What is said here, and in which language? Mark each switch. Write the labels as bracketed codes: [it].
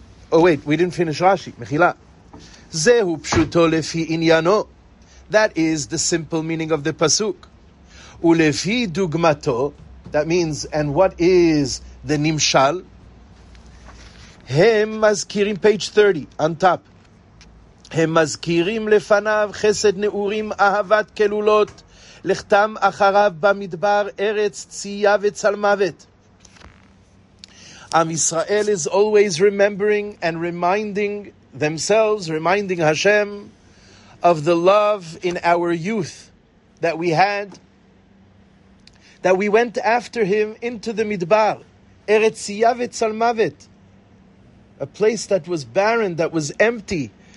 [en] Oh wait, we didn't finish Rashi. Mechila. [he] Zehu pshuto lefi inyano. [en] That is the simple meaning of the Pasuk. [he] Ulefi dugmato. [en] That means, and what is the Nimshal? Hem mazkirim, page 30, on top. [he] הם מזכירים לפניו חסד נאורים אהבת כלולות לכתם אחריו במדבר ארץ צייה וצלמוות. [en] Am Yisrael is always remembering and reminding themselves, reminding Hashem of the love in our youth that we had, that we went after him into the midbar, [he] ארץ צייה וצלמוות, [en] a place that was barren, that was empty.